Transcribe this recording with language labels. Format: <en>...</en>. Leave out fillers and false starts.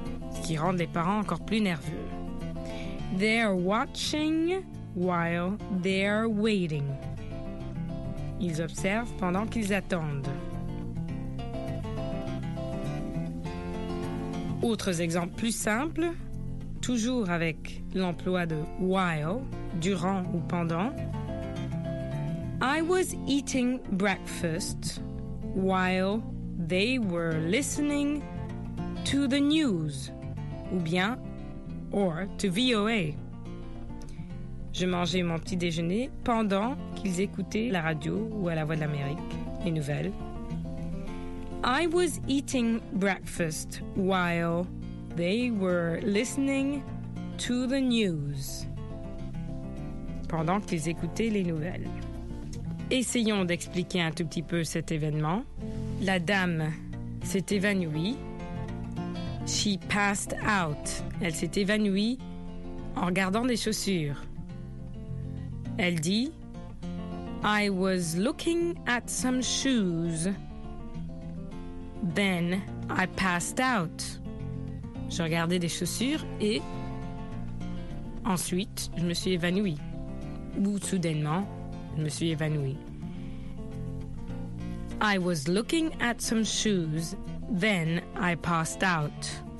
<fr>Ce qui rend les parents encore plus nerveux.</fr> <en>They're watching while they're waiting.</en> <fr>Ils observent pendant qu'ils attendent. Autres exemples plus simples, toujours avec l'emploi de while, durant ou pendant.</fr> <en>I was eating breakfast while they were listening to the news,</en> <fr>ou bien,</fr> <en>or to VOA.</en> <fr>Je mangeais mon petit déjeuner pendant qu'ils écoutaient la radio ou à la Voix de l'Amérique, les nouvelles.</fr> <en>I was eating breakfast while they were listening to the news.</en> <fr>Pendant qu'ils écoutaient les nouvelles. Essayons d'expliquer un tout petit peu cet événement. La dame s'est évanouie.</fr> <en>She passed out.</en> <fr>Elle s'est évanouie en regardant des chaussures. Elle dit,</fr> <en>I was looking at some shoes, then I passed out.</en> <fr>Je regardais des chaussures et ensuite je me suis évanouie. Ou soudainement, je me suis évanouie.</fr> <en>I was looking at some shoes, then I passed out.</en>